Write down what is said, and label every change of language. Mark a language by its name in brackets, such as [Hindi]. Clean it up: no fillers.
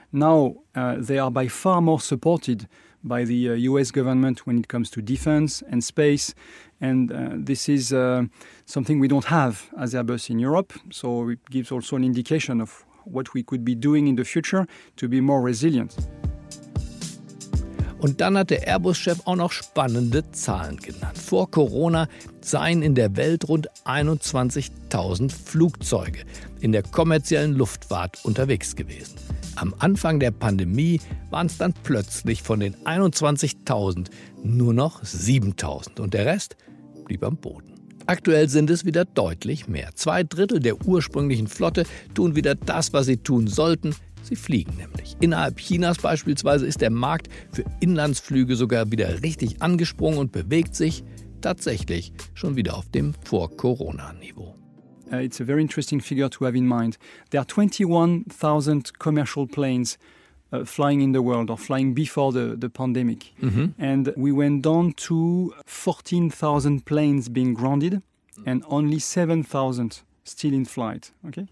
[English] Now, they are by far more supported by the U.S. government when it comes to defense and space, and this is something we don't have as Airbus in Europe, so it gives also an indication of what we could be doing in the future to be more resilient. [German] Und dann hat der Airbus-Chef auch noch spannende Zahlen genannt. Vor Corona seien in der Welt rund 21.000 Flugzeuge in der kommerziellen Luftfahrt unterwegs gewesen. Am Anfang der Pandemie waren es dann plötzlich von den 21.000 nur noch 7.000 und der Rest blieb am Boden. Aktuell sind es wieder deutlich mehr. Zwei Drittel der ursprünglichen Flotte tun wieder das, was sie tun sollten. Sie fliegen nämlich. Innerhalb Chinas beispielsweise ist der Markt für Inlandsflüge sogar wieder richtig angesprungen und bewegt sich tatsächlich schon wieder auf dem Vor-Corona-Niveau. [English] It's a very interesting figure to have in mind. There are 21,000 commercial planes flying in the world or flying before the pandemic. Mm-hmm. And we went down to 14,000 planes being grounded and only 7,000 still in flight, okay?